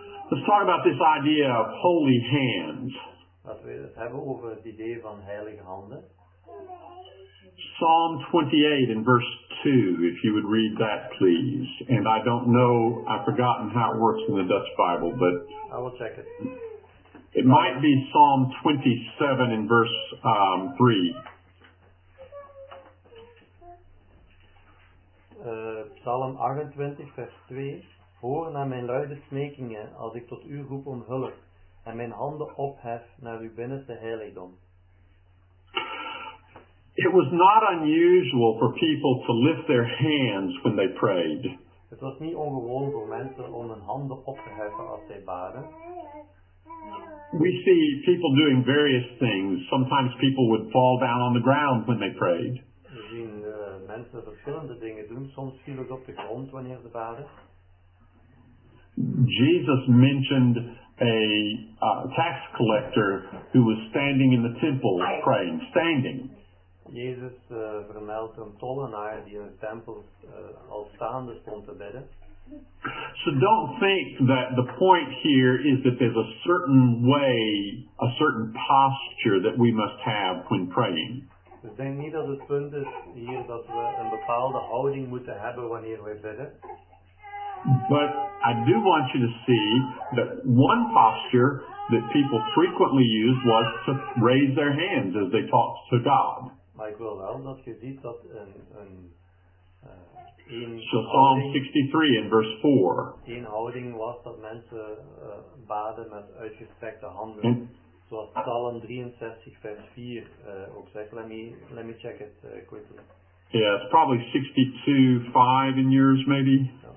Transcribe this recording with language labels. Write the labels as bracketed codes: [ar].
[en] Let's talk about this idea of holy hands. [nl] Laten we het hebben over het idee van heilige handen. [en] Psalm 28 in verse 2, if you would read that, please. And I don't know, I've forgotten how it works in the Dutch Bible, but I will check it. It might be Psalm 27 in verse 3. [nl] Psalm 28, vers 2. Hoor naar mijn luide smekingen als ik tot u roep om hulp en mijn handen ophef naar uw binnenste heiligdom. [en] It was not unusual for people to lift their hands when they prayed. [nl] Het was niet ongewoon voor mensen om hun handen op te heffen als zij baden. [en] We see people doing various things. Sometimes people would fall down on the ground when they prayed. [nl] We zien mensen verschillende dingen doen. Soms vielen ze op de grond wanneer ze baden. [en] Jesus mentioned a tax collector who was standing in the temple praying, standing. [nl] Jezus vermeldt een tollenaar die in de tempel al staande stond te bidden. [en] So don't think that the point here is that there's a certain way, a certain posture that we must have when praying. [nl] Dus denk niet dat het punt is hier dat we een bepaalde houding moeten hebben wanneer we bidden. [en] But I do want you to see that one posture that people frequently used was to raise their hands as they talked to God. [nl] Maar ik wil wel dat je ziet dat een [en] Psalm 63 in verse 4. [nl] Een houding was dat mensen baden met uitgestrekte handen. And, zoals Psalm 63 vers 4 ook zegt. [en] Let me check it quickly. Yeah, it's probably 62:5 in yours maybe.